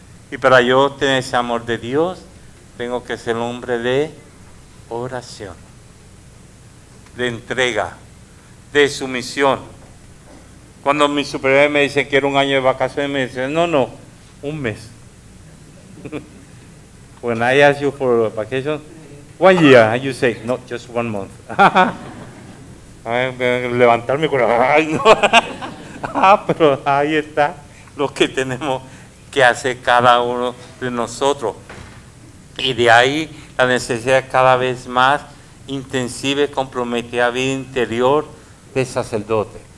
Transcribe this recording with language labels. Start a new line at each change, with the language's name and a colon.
Spanish: Y para yo tener ese amor de Dios, tengo que ser un hombre de oración, de entrega, de sumisión. Cuando mi superior me dice que era un año de vacaciones, me dice, no, no, un mes.
English: When I ask you for vacation, 1 year, and you say, no, just 1 month.
Spanish: Levantarme con la... Ay, no. pero ahí está lo que tenemos que hacer cada uno de nosotros. Y de ahí la necesidad cada vez más intensiva y comprometida a la vida interior de sacerdote.